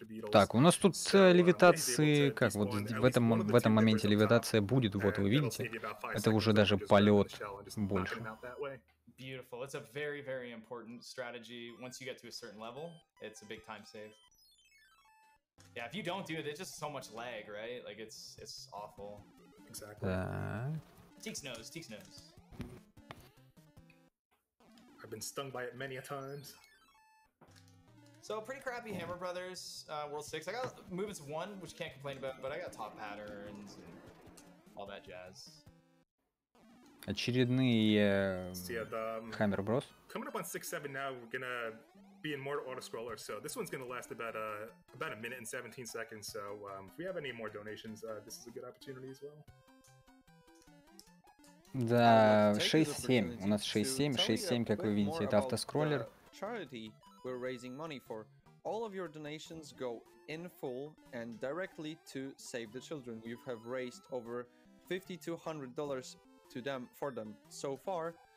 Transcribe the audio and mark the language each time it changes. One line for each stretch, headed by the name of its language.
Russian: Так, у нас тут левитации, как вот в этом моменте левитация будет, вот вы видите. Это уже даже полет больше.
English: Beautiful. It's a very, very important strategy. Once you get to a certain level, it's a big time save. Yeah, if you don't do it, it's just so much lag, right? Like, it's awful. Exactly. Teeks knows. I've been stung by it many a times. So, pretty crappy Hammer Brothers, World 6. I got movements 1, which can't complain about, but I got top patterns and all that jazz.
Russian: Очередные Hammer Bros.
English: Coming up on 6-7 now, we're gonna... being more auto-scroller, so this one's gonna last about a minute and 17 seconds, so if we have any more donations, this is a good opportunity as well.
Russian: Да, 6-7, у нас 6-7, 6-7, как вы видите, это автоскроллер.
English: Charity we're raising money for. All of your donations go in full and directly to Save the Children. We have raised over $5,200 to them for them so far.